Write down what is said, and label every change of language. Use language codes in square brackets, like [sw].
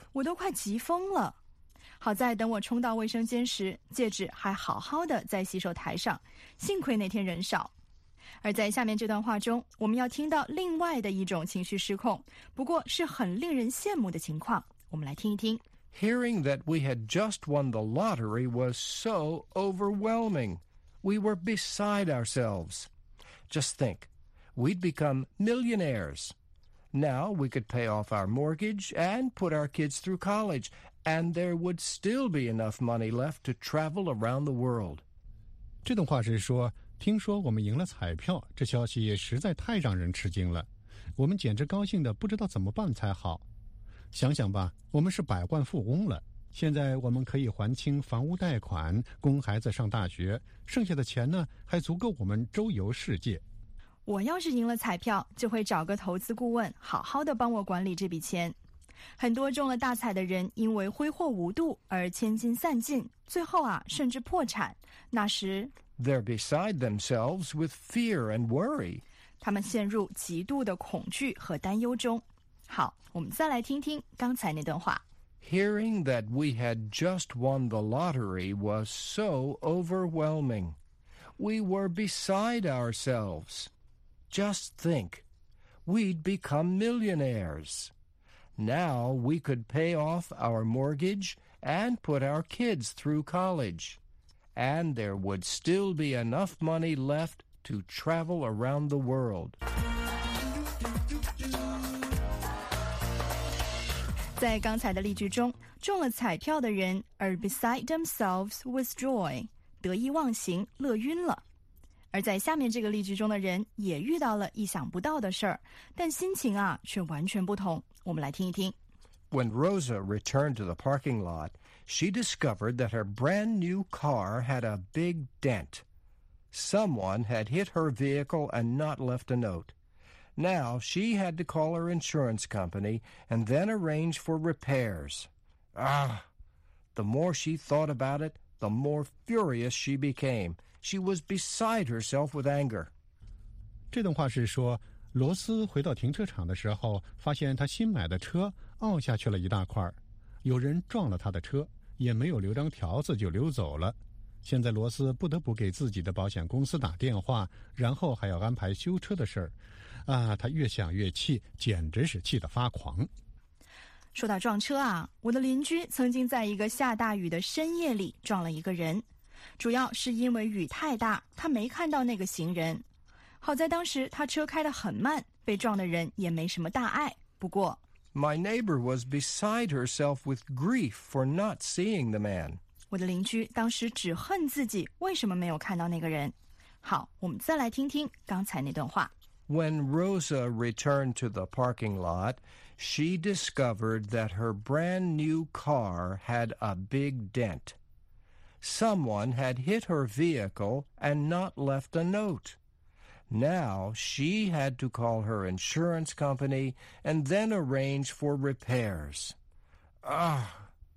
[zh] 我都快急疯了。好在等我冲到卫生间时，戒指还好好的在洗手台上。幸亏那天人少。而在下面这段话中，我们要听到另外的一种情绪失控，不过是很令人羡慕的情况。我们来听一听。 [en] Hearing that we had just won the lottery was so overwhelming. We were beside ourselves. Just think, we'd become millionaires. Now we could pay off our mortgage and put our kids through college, and there would still be enough money left to travel around the world. [zh] 这段话是说听说我们赢了彩票，这消息也实在太让人吃惊了。我们简直高兴得不知道怎么办才好。想想吧，我们是百万富翁了。现在我们可以还清房屋贷款，供孩子上大学，剩下的钱呢，还足够我们周游世界。我要是赢了彩票，就会找个投资顾问，好好的帮我管理这笔钱。很多中了大彩的人因为挥霍无度而千金散尽，最后啊，甚至破产。那时 [en] They're beside themselves with fear and worry. [zh] 他们陷入极度的恐惧和担忧中。好，我们再来听听刚才那段话。 [en] Hearing that we had just won the lottery was so overwhelming. We were beside ourselves. Just think, we'd become millionaires. Now we could pay off our mortgage and put our kids through college. And there would still be enough money left to travel around the world. [zh] 在刚才的例句中，中了彩票的人 [en] are beside themselves with joy, [zh] 得意忘形，乐晕了。而在下面这个例句中的人也遇到了意想不到的事儿，但心情啊却完全不同。我们来听一听。 [en] When Rosa returned to the parking lot, she discovered that her brand new car had a big dent. Someone had hit her vehicle and not left a note. Now she had to call her insurance company and then arrange for repairs. Ah! The more she thought about it, the more furious she became. She was beside herself with anger. [zh] 这段话是说，罗斯回到停车场的时候，发现他新买的车凹下去了一大块，有人撞了他的车，也没有留张条子就溜走了。现在罗斯不得不给自己的保险公司打电话，然后还要安排修车的事儿。啊，他越想越气，简直是气得发狂。说到撞车啊，我的邻居曾经在一个下大雨的深夜里撞了一个人，主要是因为雨太大，他没看到那个行人。好在当时他车开得很慢，被撞的人也没什么大碍。不过 [en] My neighbor was beside herself with grief for not seeing the man. [zh] 我的邻居当时只恨自己为什么没有看到那个人。好，我们再来听听刚才那段话。 [en] When Rosa returned to the parking lot, she discovered that her brand new car had a big dent. Someone had hit her vehicle and not left a note. Now she had to call her insurance company and then arrange for repairs. Ah!